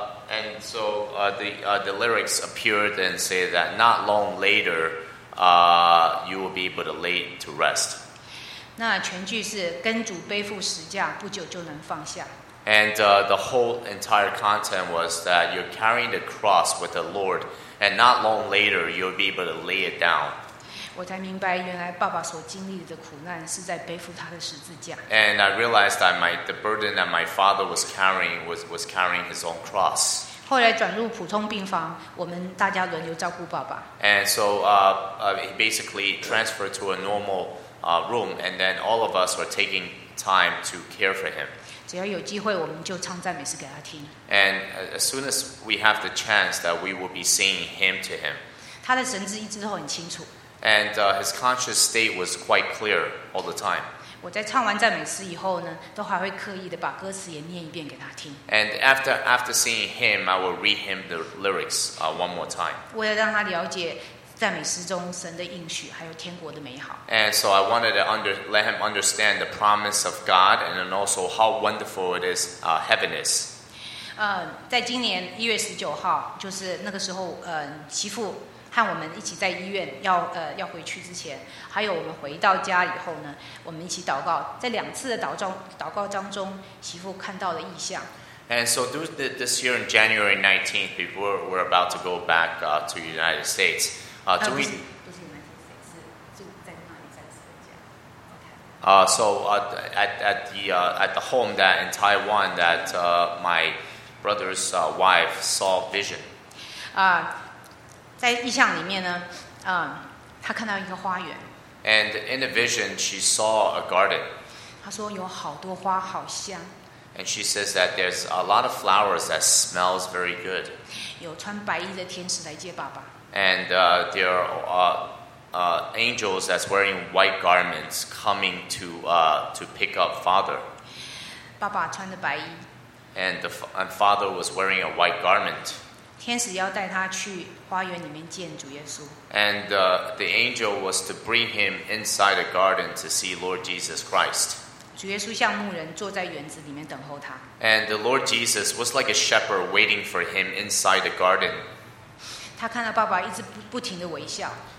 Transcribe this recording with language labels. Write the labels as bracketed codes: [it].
[en] And so the lyrics appeared and say that not long later, you will be able to lay to rest. [zh] 那全句是跟主背负十架，不久就能放下。 [en] And the whole entire content was that you're carrying the cross with the Lord, and not long later you'll be able to lay it down. [zh] 我才明白，原来爸爸所经历的苦难是在背负他的十字架。 [en] And I realized that the burden that my father was carrying was carrying his own cross. [zh] 后来转入普通病房，我们大家轮流照顾爸爸。 [en] And so he basically transferred to a normal room, and then all of us were taking time to care for him. [zh] 只要有机会，我们就唱赞美诗给他听。 [en] And as soon as we have the chance, that we will be singing hymn to him. [zh] 他的神志一直都很清楚。 [en] And his conscious state was quite clear all the time. [zh] 我在唱完赞美诗以后呢，都还会刻意的把歌词也念一遍给他听。 [en] And after singing hymn, I will read him the lyrics one more time. [zh] 为了让他了解赞美诗中神的应许，还有天国的美好。 [en] And so I wanted to let him understand the promise of God, and then also how wonderful it is, heaven is. [zh] 在今年一月十九号，就是那个时候，媳妇和我们一起在医院要回去之前，还有我们回到家以后呢，我们一起祷告。在两次的祷告当中，媳妇看到了异象。 [en] And so this year in January 19th, before we're about to go back to the United States. At the home that in Taiwan that my brother's wife saw vision. [zh] 在意象里面呢，她看到一个花园。 [en] And in the vision, she saw a garden. [zh] 她说有好多花，好香。 [en] And she says that there's a lot of flowers that smells very good. [zh] 有穿白衣的天使来接爸爸。 [en] And there are angels that's wearing white garments coming to pick up Father. [zh] 爸爸穿着白衣。 [en] And Father was wearing a white garment. [zh] 天使要带他去花园里面见主耶稣。 [en] And the angel was to bring him inside the garden to see Lord Jesus Christ. [zh] 主耶稣像牧人坐在园子里面等候他。 [en] And the Lord Jesus was like a shepherd waiting for him inside the garden. [zh] 他看到爸爸一直不停的微笑。